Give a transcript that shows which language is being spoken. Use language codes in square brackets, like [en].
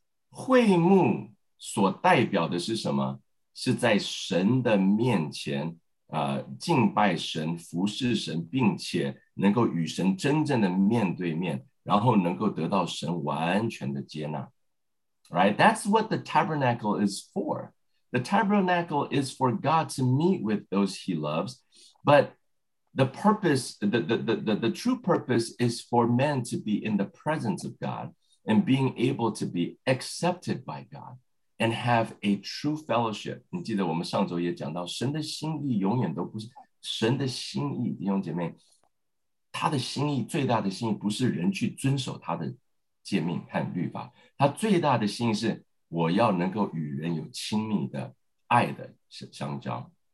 [zh] 会幕所代表的是什么？是在神的面前敬拜神、服侍神，并且能够与神真正的面对面，然后能够得到神完全的接纳。 [en] Right, that's what the tabernacle is for. The tabernacle is for God to meet with those he loves, but the purpose, the true purpose is for men to be in the presence of God and being able to be accepted by God and have a true fellowship. [zh] 你记得我们上周也讲到神的心意永远都不是神的心意，弟兄姐妹，他的心意，最大的心意不是人去遵守他的诫命和律法，他最大的心是我要能够与人有亲密的爱的相交。